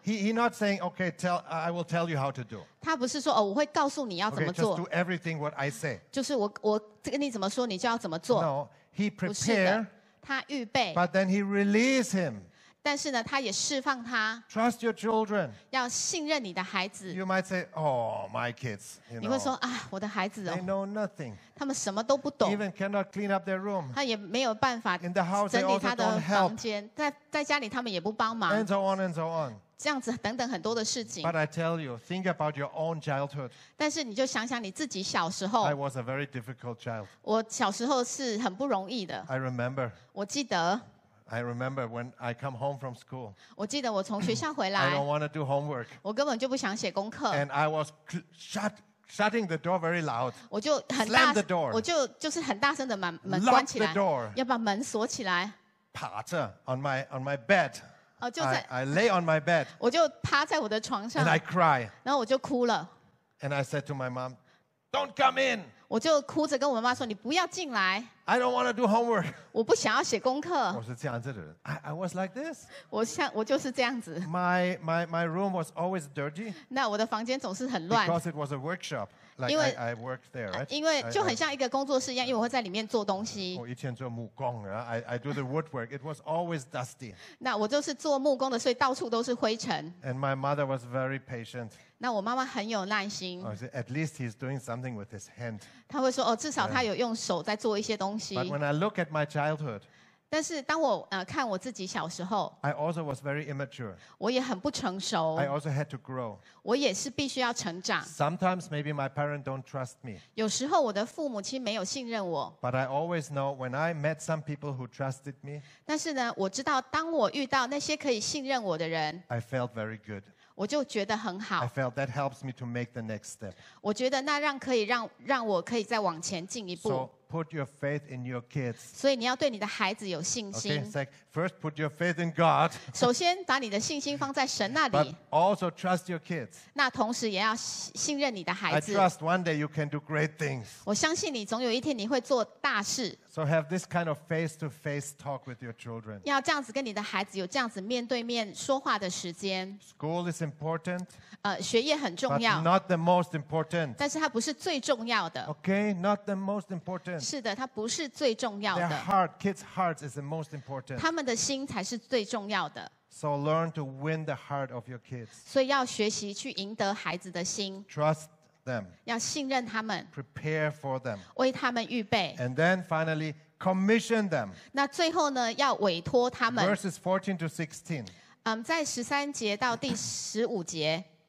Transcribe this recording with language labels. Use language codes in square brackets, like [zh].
[en] He not saying, okay, I will tell you how to do. [zh] 他不是说哦，我会告诉你要怎么做。 [en] Okay, just do everything what I say. [zh] 就是我跟你怎么说，你就要怎么做。 [en] No, he prepare. [zh] 他预备。 [en] But then he release him. [zh] 但是呢，他也释放他。 [en] Trust your children. [zh] 要信任你的孩子。 [en] You might say, "Oh, my kids." You know, [zh] 你会说啊，我的孩子哦。 [en] They know nothing. [zh] 他们什么都不懂。 [en] Even cannot clean up their room. [zh] 他也没有办法整理他的房间。 [en] In the house, they also don't help. [zh] 在家里，他们也不帮忙。 [en] And so on, and so on. [zh] 这样子等等很多的事情。 [en] But I tell you, think about your own childhood. [zh] 但是你就想想你自己小时候。 [en] I was a very difficult child. [zh] 我小时候是很不容易的。 [en] I remember. [zh] 我记得。 [en] I remember when I come home from school. [zh] 我记得我从学校回来。 [en] I don't want to do homework. [zh] 我根本就不想写功课。 [en] And I was shutting the door very loud. [zh] 我就很大。 [en] Slam the door. [zh] 我就是很大声的把门关起来。 [en] Lock the door. [zh] 要把门锁起来。趴着 [en] on my bed. [zh] 哦，就在。 [en] I lay on my bed. [zh] 我就趴在我的床上。 [en] And I cry. [zh] 然后我就哭了。 [en] And I said to my mom, "Don't come in." [zh] 我就哭着跟我妈说，你不要进来。 [en] I don't want to do homework. [zh] 我不想要写功课。我是这样子的人。 [en] I was like this. [zh] 我就是这样子。 [en] My room was always dirty. [zh] 那我的房间总是很乱。 [en] Because it was a workshop. Like [zh] 因为 [en] I worked there, right? [zh] 因为就很像一个工作室一样，因为我会在里面做东西。我以前做木工啊 [en] ，I do the woodwork. It was always dusty. [zh] 那我就是做木工的，所以到处都是灰尘。 [en] And my mother was very patient. [zh] 那我妈妈很有耐心。 [en] At least he's doing something with his hand. [zh] 她会说哦，至少他有用手在做一些东西。 [en] But when I look at my childhood, [zh] 但是当我看我自己小时候 [en] ，I also was very immature. [zh] 我也很不成熟。 [en] I also had to grow. [zh] 我也是必须要成长。 [en] Sometimes maybe my parents don't trust me. [zh] 有时候我的父母亲没有信任我。 [en] But I always know when I met some people who trusted me. [zh] 但是呢，我知道当我遇到那些可以信任我的人 [en] ，I felt very good. [zh] 我就觉得很好。 [en] I felt that helps me to make the next step. [zh] 我觉得那让可以让让我可以再往前进一步。 [en] So put your faith in your kids. [zh] 所以你要对你的孩子有信心。 [en] Okay, second, first put your faith in God. [zh] 首先把你的信心放在神那里。 [en] But also trust your kids. [zh] 那同时也要信任你的孩子。 [en] I trust one day you can do great things. [zh] 我相信你总有一天你会做大事。 [en] So have this kind of face-to-face talk with your children. [zh] 要这样子跟你的孩子有这样子面对面说话的时间。 [en] School is important. [zh] 学业很重要。 [en] But not the most important. [zh] 但是它不是最重要的。 [en] Okay, not the most important. [zh] 是的，它不是最重要的。 [en] Their heart, kids' hearts is the most important. [zh] 他们的心才是最重要的。 [en] So learn to win the heart of your kids. [zh] 所以要学习去赢得孩子的心。 [en] Trust. Them, [zh] 要信任他们 [en] prepare for them, [zh] 为他们预备 [en] and then finally commission them. [zh] 那最后呢，要委托他们 [en] Verses 14 to 16. [zh] 在十三节到第十五节